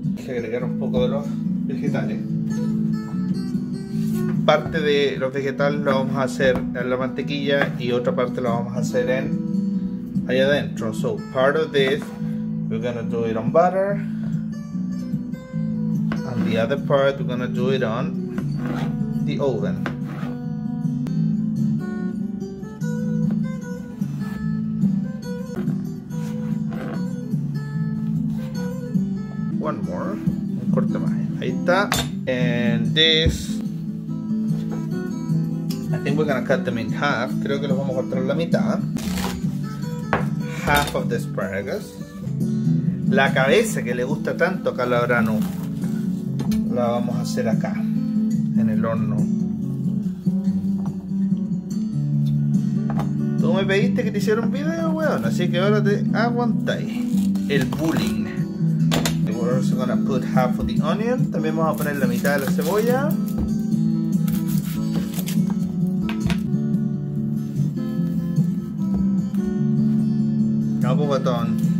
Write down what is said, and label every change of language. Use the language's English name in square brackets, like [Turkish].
[Spanish] Agregar un poco de los vegetales. Parte de los vegetales lo vamos a hacer en la mantequilla y otra parte lo vamos a hacer en allá adentro. [English] So part of this we're gonna do it on butter and the other part we're gonna do it on the oven. One more. [Spanish] Ahí está. [English] And this, I think we're gonna cut them in half. [Spanish] Creo que los vamos a cortar la mitad. [English] Half of the asparagus. [Spanish] La cabeza que le gusta tanto a Calabrano la vamos a hacer acá en el horno. Tú me pediste que te hiciera un video, weón, así que ahora te aguantáis el bullying. [English] We're also gonna put half of the onion. [Spanish] También vamos a poner la mitad de la cebolla. [English] Double baton.